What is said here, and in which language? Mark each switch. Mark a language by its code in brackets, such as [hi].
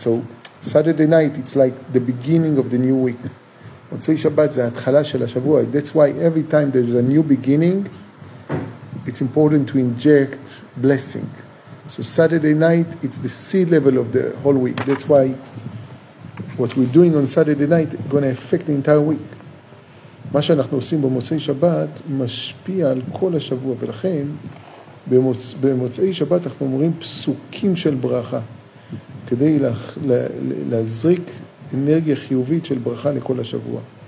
[en] So Saturday night, it's like the beginning of the new week. [he] מוצאי שבת זה ההתחלה של השבוע. [en] That's why every time there's a new beginning, it's important to inject blessing. So Saturday night, it's the seed level of the whole week. That's why what we're doing on Saturday night is going to affect the entire week. [he] מה שאנחנו עושים במוצאי שבת משפיע על כל השבוע, ולכן במוצאי שבת אנחנו אומרים פסוקים של ברכה, כדי להזריק אנרגיה חיובית של ברכה לכל השבוע.